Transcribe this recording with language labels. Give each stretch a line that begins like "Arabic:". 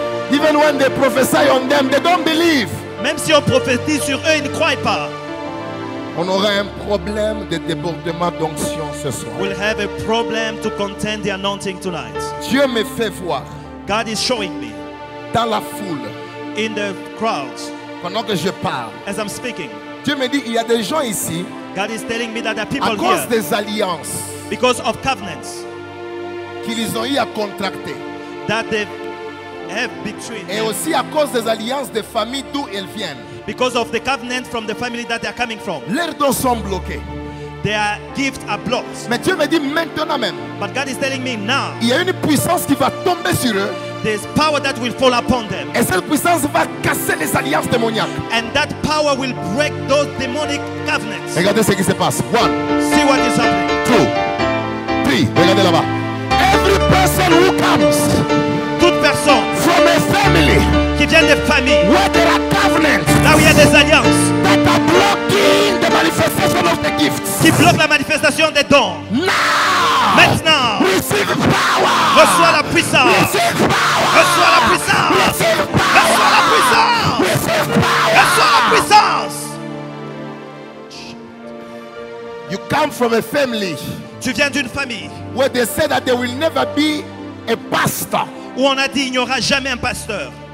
English: Even when they prophesy on them, they don't believe.
French: Même si on prophétise sur eux, ils ne croient pas. On aura un problème de débordement d'onction ce soir.
English: We'll have a problem to contain the anointing tonight.
French: Dieu me fait voir.
English: God is showing me.
French: Dans la foule.
English: In the crowd.
French: Pendant que je parle.
English: As I'm speaking.
French: Dieu me dit il y a des gens ici.
English: God is telling me that there are people
French: à cause
English: here,
French: des alliances.
English: Because of covenants.
French: Qu'ils ont eu à contracter.
English: That they have between.
French: Et
English: them.
French: Aussi à cause des alliances des familles d'où elles viennent.
English: Because of the covenant from the family that they are coming from.
French: Leurs dons sont bloqués.
English: Their gifts are blocked.
French: Mais Dieu me dit maintenant même.
English: But God is telling me now.
French: Il y a une puissance qui va tomber sur eux.
English: There's power that will fall upon them.
French: Et cette puissance va casser les alliances démoniaques.
English: And that power will break those demonic covenants.
French: Regardez ce qui se passe. One.
English: See what is happening. Two. Three.
French: Regardez là-bas.
English: Every person who comes.
French: Toute personne.
English: From a family.
French: Qui vient de famille.
English: Where there are covenants.
French: Là où il y a des alliances.
English: That are blocking the manifestation of the gifts.
French: Qui bloque la manifestation des dons.
English: Now.
French: Maintenant,
English: receive power.
French: Reçois la puissance. Reçois la puissance.
English: Receive power.
French: Reçois la puissance.
English: Receive power.
French: Reçois la puissance.
English: You come from a family.
French: Tu viens d'une famille.
English: Where they said that there will never be a pastor.
French: Où on a dit il n'y aura jamais un pasteur.